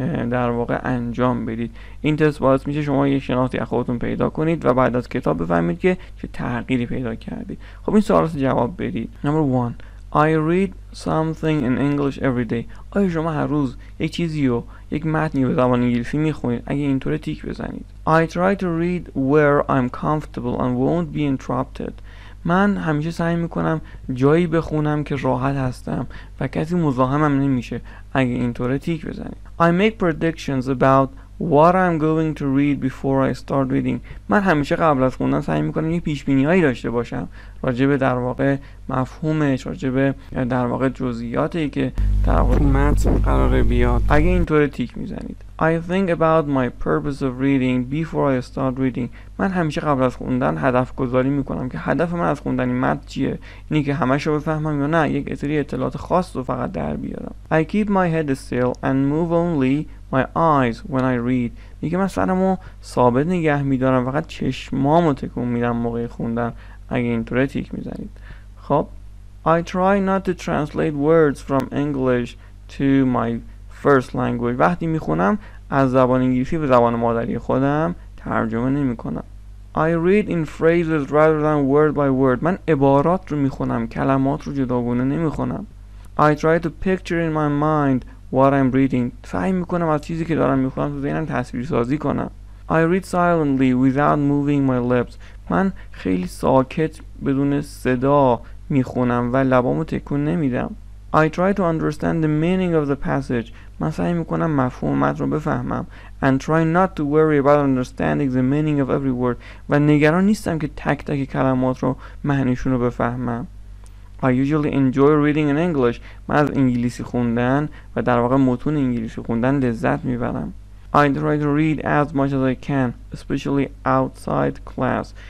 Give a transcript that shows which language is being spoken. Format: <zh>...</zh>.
<fa>در واقع انجام بدید. این تست باعث میشه شما یه شناختی از خودتون پیدا کنید و بعد از کتاب بفهمید که چه تغییری پیدا کردید. خب این سوالات جواب بدید.</fa> <en>Number 1. I read something in English every day.</en> <fa>آیا شما هر روز یک چیزی رو، یک متنی به زبان انگلیسی میخونید؟ اگه اینطوره تیک بزنید.</fa> <en>I try to read where I'm comfortable and won't be interrupted.</en> <fa>من همیشه سعی میکنم جایی بخونم که راحت هستم و کسی مزاحمم نمیشه. اگه اینطوره تیک بزنید.</fa> <en>I make predictions about what I'm going to read before I start reading.</en> <fa>من همیشه قبل از خوندن سعی میکنم یه پیشبینیایی داشته باشم راجع به در واقع مفهومش، راجع به در واقع جزئیاتی که در واقع متن قراره بیاد. اگه اینطوره تیک میزنید.</fa> <en>I think about my purpose of reading before I start reading.</en> <fa>من همیشه قبل از خوندن هدف گذاری میکنم که هدف من از خوندن این متن چیه، اینی که همش رو بفهمم یا نه یک سری اطلاعات خاص رو فقط در بیارم.</fa> <en>I keep my head still and move only my eyes when I read.</en> <fa>میگه من سرمو ثابت نگه میدارم، فقط چشمامو تکون میدم موقع خوندن. اگه اینطوره تیک میزنید.</fa> <en>خب I try not to translate words from English to my first language.</en> <fa>وقتی میخونم از زبان انگلیسی به زبان مادری خودم ترجمه نمیکنم.</fa> <en>I read in phrases rather than word by word.</en> <fa>من عبارات رو میخونم، کلمات رو جداگونه نمیخونم.</fa> <en>I try to picture in my mind what I'm reading.</en> <fa>سعی میکنم از چیزی که دارم میخونم تو ذهنم تصویرسازی کنم.</fa> <en>I read silently without moving my lips.</en> <fa>من خیلی ساکت بدون صدا میخونم و لبامو تکون نمیدم.</fa> <en>I try to understand the meaning of the passage.</en> <fa>من سعی میکنم مفهوم متن رو بفهمم.</fa> <en>And try not to worry about understanding the meaning of every word.</en> <fa>و نگران نیستم که تک تک کلمات رو معنیشون رو بفهمم.</fa> <en>I usually enjoy reading in English.</en> <fa>من از انگلیسی خوندن و در واقع متون انگلیسی خوندن لذت میبرم.</fa> <en>I try to read as much as I can, especially outside class.</en>